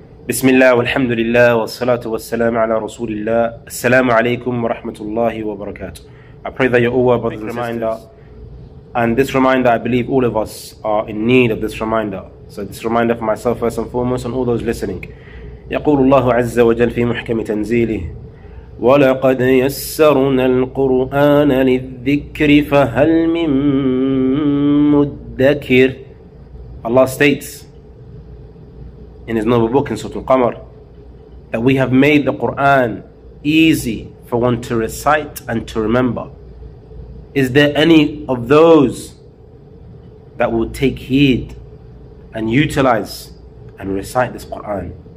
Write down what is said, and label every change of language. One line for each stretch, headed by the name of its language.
Arabic: بسم الله والحمد لله والصلاة والسلام على رسول الله. السلام عليكم ورحمة الله وبركاته.
English: I pray that you're all well, brothers and sisters. And this reminder, I believe all of us are in need of this reminder. So this reminder for myself first and foremost and all those listening.
Arabic: يقول الله عز وجل في محكم تنزيله ولقد يسرنا القرآن للذكر فهل من مدكر.
English: Allah states in his noble book in Surah Al-Qamar that we have made the Quran easy for one to recite and to remember. Is there any of those that will take heed and utilize and recite this Quran?